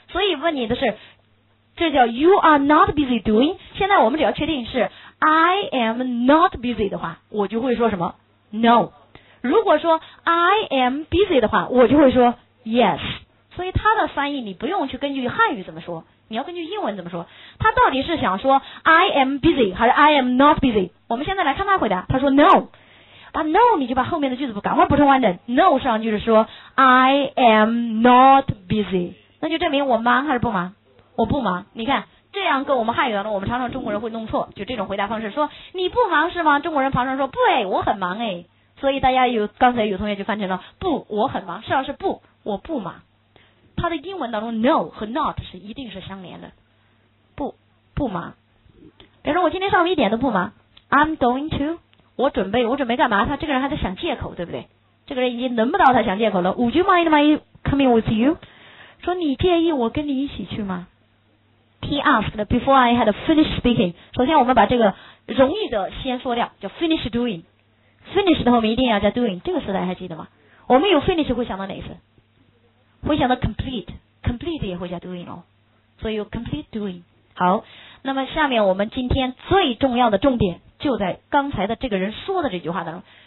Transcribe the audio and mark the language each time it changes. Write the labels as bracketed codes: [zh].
[zh] 所以问你的是，这叫 you are not busy doing， 现在我们只要确定是 I am not busy 的话，我就会说什么？no。如果说 I am busy 的话，我就会说 yes。所以他的翻译你不用去根据汉语怎么说，你要根据英文怎么说。他到底是想说 I am busy 还是 I am not busy？我们现在来看他回答，他说 no， 把 no 你就把后面的句子赶快补充完整。 no 实际上就是说 I am not busy， 那就证明我忙还是不忙？我不忙。你看这样跟我们汉语当中，我们常常中国人会弄错，就这种回答方式，说你不忙是吗？中国人旁常说不，哎，我很忙哎。所以大家有刚才有同学就翻成了不，我很忙，实际上是不，我不忙。它的英文当中 no 和 not 是一定是相连的，不忙。比如说我今天上午一点都不忙， I'm going to， 我准备干嘛？他这个人还在想借口，对不对？这个人已经轮不到他想借口了。 [en] Would you mind my coming with you？ [zh] 说你介意我跟你一起去吗？ [en] he asked before I had finished speaking. [zh] 首先我们把这个容易的先说掉，叫 finish doing。 finish 的后面一定要加 doing， 这个时代还记得吗？我们有 finish 会想到哪一次？会想到 complete 也会加 doing 哦，所以有 complete doing。好，那么下面我们今天最重要的重点就在刚才的这个人说的这句话当中。